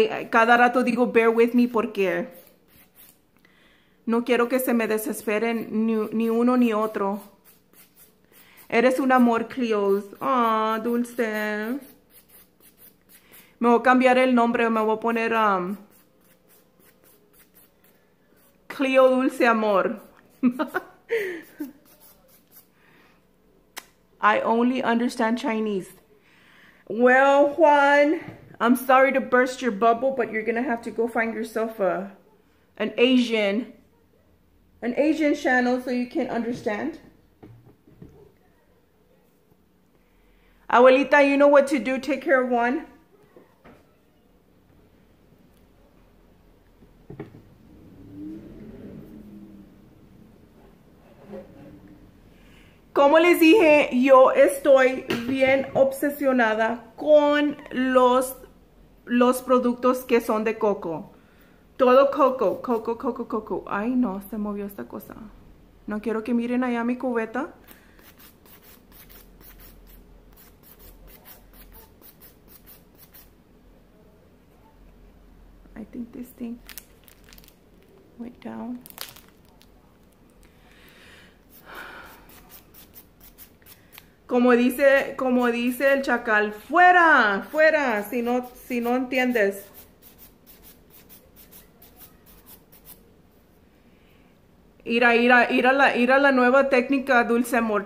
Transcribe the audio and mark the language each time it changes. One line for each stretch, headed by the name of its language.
Spanish: Cada rato digo
English: bear with me
Spanish: porque no quiero que se me desesperen ni uno ni otro. Eres un amor, Cleos. Ah, dulce. Me voy a cambiar el nombre. Me voy a poner Cleo Dulce Amor.
English: I only understand Chinese. Well, Juan, I'm sorry to burst your bubble, but you're going to have to go find yourself an Asian channel so you can understand. Abuelita, you know what to do. Take care of Juan.
Spanish: Como les dije, yo estoy bien obsesionada con los productos que son de coco. Todo coco, coco, coco, coco. Ay, no, se movió esta cosa. No quiero que miren allá mi cubeta.
English: I think this thing went down.
Spanish: Como dice el chacal, fuera, fuera, si no entiendes. Ir a la nueva técnica, Dulce Amor.